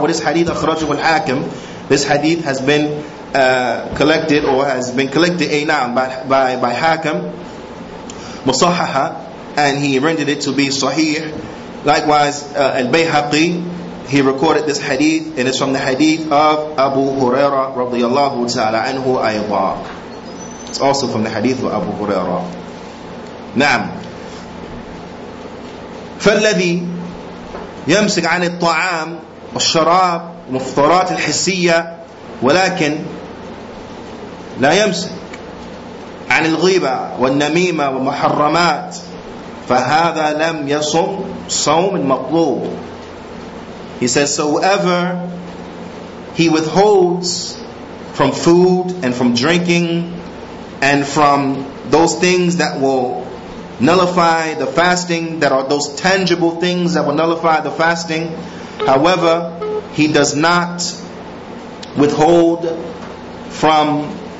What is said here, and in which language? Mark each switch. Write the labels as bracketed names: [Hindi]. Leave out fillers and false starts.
[English] What is hadith akhrajahu al-hakim? This hadith has been collected by Hakim Musahaha, and he rendered it to be sahih. Likewise, Al-Bayhaqi, he recorded this hadith, and it's from the hadith of Abu Huraira radiyallahu ta'ala anhu ayda. It's also from the hadith of Abu Huraira. Naam. [Arabic] فالذي يمسك عن الطعام والشراب مفطرات الحسية ولكن لا يمسك عن الغيبة والنميمة والمحرمات فهذا لم يصم صوم المطلوب. [English] He says, so whoever he withholds from food and from drinking and from those things that will nullify the fasting, that are those tangible things that will nullify the fasting, however, he does not withhold from